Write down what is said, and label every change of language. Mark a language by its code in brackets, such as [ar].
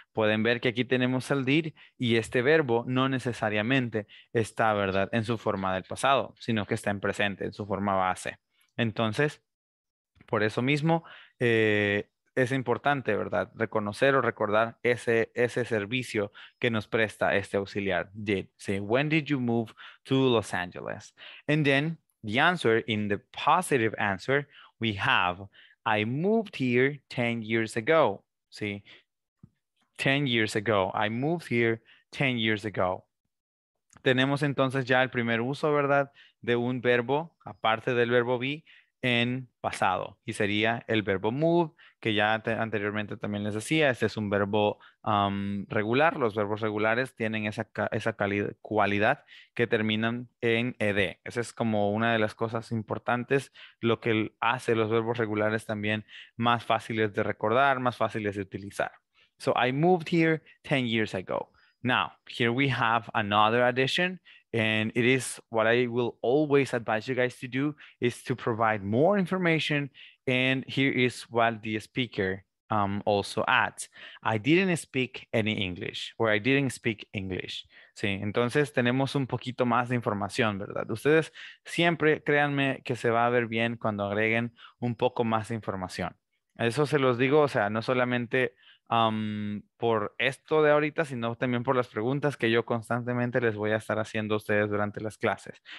[es] Pueden ver que aquí tenemos el did y este verbo no necesariamente está, ¿verdad?, en su forma del pasado, sino que está en presente, en su forma base. Entonces, por eso mismo, es importante, ¿verdad?, reconocer o recordar ese servicio que nos presta este auxiliar, did. [en] Say, when did you move to Los Angeles? And then the answer, in the positive answer, we have, I moved here 10 years ago. See, 10 years ago. I moved here 10 years ago. [es] Tenemos entonces ya el primer uso, ¿verdad?, de un verbo, aparte del verbo be, en pasado, y sería el verbo move, que ya anteriormente también les decía, este es un verbo regular, los verbos regulares tienen esa cualidad que terminan en ed. Esa es como una de las cosas importantes, lo que hace los verbos regulares también más fáciles de recordar, más fáciles de utilizar. [en] So I moved here 10 years ago. Now, here we have another addition. And it is what I will always advise you guys to do, is to provide more information. And here is what the speaker also adds. I didn't speak any English, or I didn't speak English. [es] Sí, entonces tenemos un poquito más de información, ¿verdad? Ustedes siempre, créanme, que se va a ver bien cuando agreguen un poco más de información. Eso se los digo, o sea, no solamente por esto de ahorita, sino también por las preguntas que yo constantemente les voy a estar haciendo a ustedes durante las clases.